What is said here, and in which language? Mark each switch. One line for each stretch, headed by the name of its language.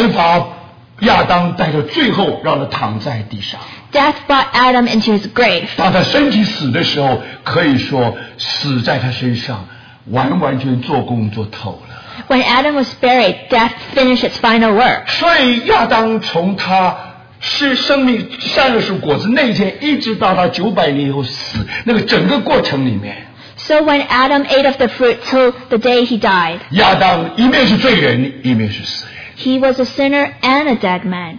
Chinese: 死把亚当带到最后让他躺在地上。
English: Death brought Adam into his grave.
Chinese: 当他身体死的时候, 可以说死在他身上完完全做工做透了。
English: When Adam was buried, death finished its final work.
Chinese: 所以亚当从他 吃生命善恶树果子那一天一直到他九百年以后死, 那个整个过程里面,
English: So when Adam ate of the fruit till the day he died,
Chinese: 亚当一面是罪人, 一面是死人,
English: He was a sinner and a dead man.